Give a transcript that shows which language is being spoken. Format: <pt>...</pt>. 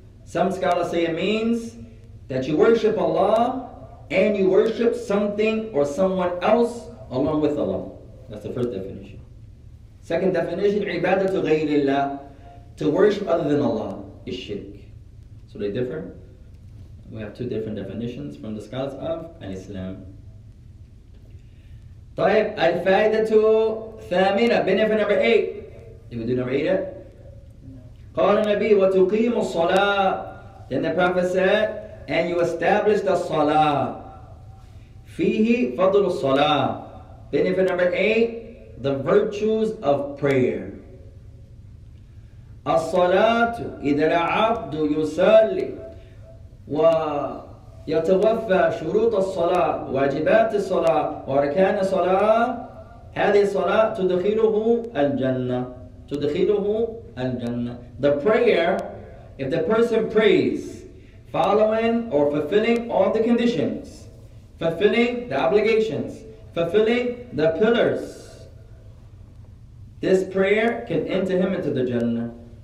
<en>Some scholars say it means that you worship Allah and you worship something or someone else along with Allah. That's the first definition. Second definition,</en> <ar>عبادة غير الله,</ar> <en>to worship other than Allah is shirk. So they differ. We have two different definitions from the scholars of Islam.</en> <ar>طيب الفائدة ثامنة,</ar> <en>benefit number 8. Did we do number 8 yet?</en> <ar>قال النبي وتقيم الصلاة.</ar> <en>Then the Prophet said, and you establish the salah.</en> <ar>Fihi fadl salah.</ar> <en>Benefit number 8, the virtues of prayer.</en> <ar>As-salatu idra abdu yusalli wa يتوفى شروط الصلاة واجبات الصلاة وأركان الصلاة هذه الصلاة تدخله الجنة تدخله الجنة.</ar> <en>The prayer, if the person prays following or fulfilling all the conditions, fulfilling the obligations, fulfilling the pillars, this prayer can enter him into the Jannah.</en>